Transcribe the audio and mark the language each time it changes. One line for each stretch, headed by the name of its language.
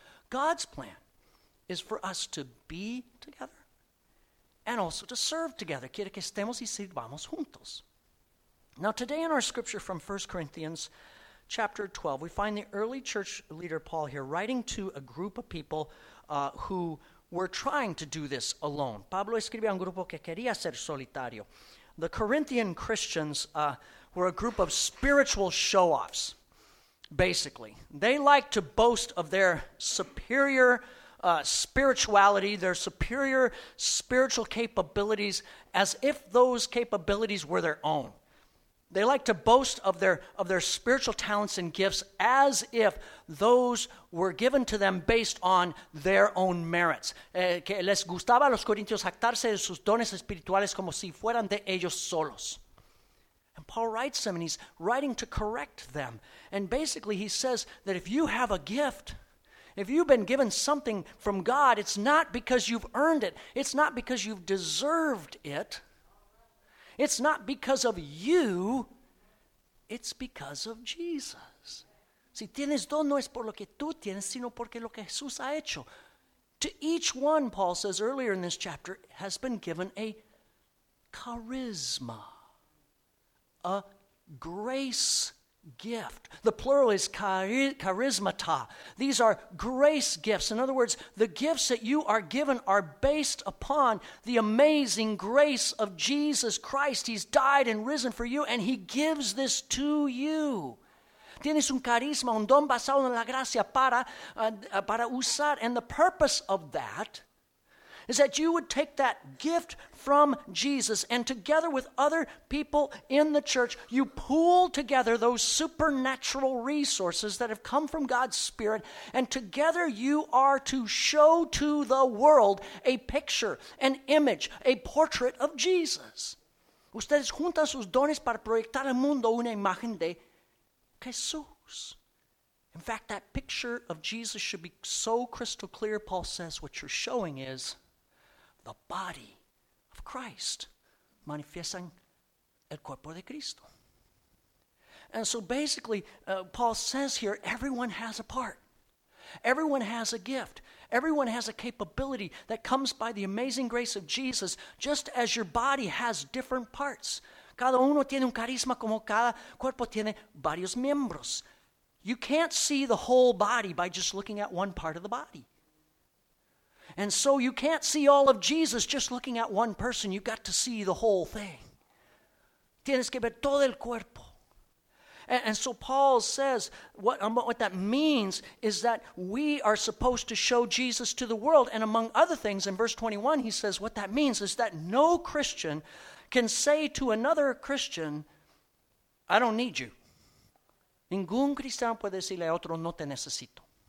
English: God's plan is for us to be together and also to serve together.
Spanish: Quiere que estemos y sirvamos juntos.
English: Now, today in our scripture from 1 Corinthians chapter 12, we find the early church leader Paul here writing to a group of people who were trying to do this alone.
Spanish: Pablo escribió a un grupo que quería ser solitario.
English: The Corinthian Christians were a group of spiritual show-offs. basically. They like to boast of their superior spirituality, their superior spiritual capabilities, as if those capabilities were their own. They like to boast of their spiritual talents and gifts as if those were given to them based on their own merits.
Spanish: Que les gustaba a los corintios jactarse de sus dones espirituales como si fueran de ellos solos.
English: And Paul writes them, and he's writing to correct them. And basically he says that if you have a gift, if you've been given something from God, it's not because you've earned it. It's not because you've deserved it. It's not because of you, it's because of Jesus.
Spanish: Si tienes don, no es por lo que tú tienes, sino porque lo que Jesús ha hecho.
English: To each one, Paul says earlier in this chapter, has been given a charisma, a grace gift. The plural is charismata. These are grace gifts. In other words, the gifts that you are given are based upon the amazing grace of Jesus Christ. He's died and risen for you, and he gives this to you.
Spanish: Tienes un carisma, un don basado en la gracia para usar.
English: And the purpose of that is that you would take that gift from Jesus, and together with other people in the church, you pool together those supernatural resources that have come from God's Spirit, and together you are to show to the world a picture, an image, a portrait of Jesus.
Spanish: Ustedes juntan sus dones para proyectar al mundo una imagen de Jesús.
English: In fact, that picture of Jesus should be so crystal clear, Paul says, what you're showing is the body of Christ.
Spanish: Manifiestan el cuerpo de Cristo.
English: And so basically, Paul says here, everyone has a part. Everyone has a gift. Everyone has a capability that comes by the amazing grace of Jesus, just as your body has different parts.
Spanish: Cada uno tiene un carisma como cada cuerpo tiene varios miembros.
English: You can't see the whole body by just looking at one part of the body. And so you can't see all of Jesus just looking at one person. You've got to see the whole thing.
Spanish: Tienes que ver todo el cuerpo.
English: And so Paul says what that means is that we are supposed to show Jesus to the world. And among other things, in verse 21, he says what that means is that no Christian can say to another Christian, I don't need you.
Spanish: Ningún cristiano puede decirle a otro, no te necesito.